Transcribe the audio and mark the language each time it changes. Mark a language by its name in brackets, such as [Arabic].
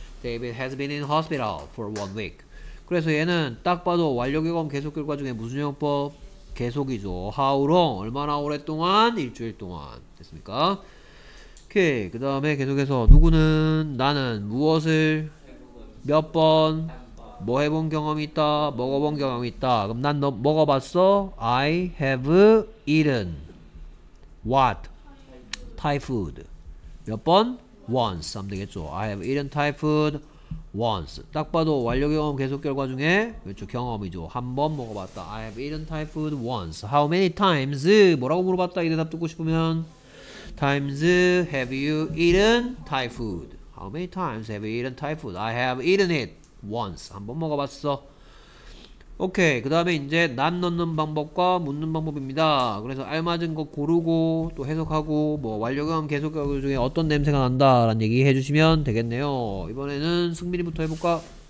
[English] David has been in hospital for one week. [Korean] 그래서 얘는 딱 봐도 완료경험 계속 결과 중에 무슨 영법? 계속이죠. [English] How long? [Korean] 얼마나 오랫동안? 일주일 동안. 됐습니까? 오케이. 그 다음에 계속해서 누구는? 나는 무엇을? 몇 번? 뭐 해본 경험이 있다? 먹어본 경험이 있다? 그럼 난 너 먹어봤어? [English] I have eaten what? Thai food. [Korean] 몇 번? [English] Once [Korean] 하면 되겠죠. [English] I have eaten Thai food once. [Korean] 딱 봐도 완료 경험 계속 결과 중에 그렇죠, 경험이죠. 한번 먹어봤다. [English] I have eaten Thai food once. How many times? [Korean] 뭐라고 물어봤다? 이 대답 듣고 싶으면 [English] times have you eaten Thai food? How many times have you eaten Thai food? I have eaten it once. [Korean] 한번 먹어봤어. 오케이. 그 다음에 이제 난 넣는 방법과 묻는 방법입니다. 그래서 알맞은 거 고르고 또 해석하고 뭐 완료경험 계속하고 중에 어떤 냄새가 난다 라는 얘기 해주시면 되겠네요. 이번에는 승민이부터 해볼까?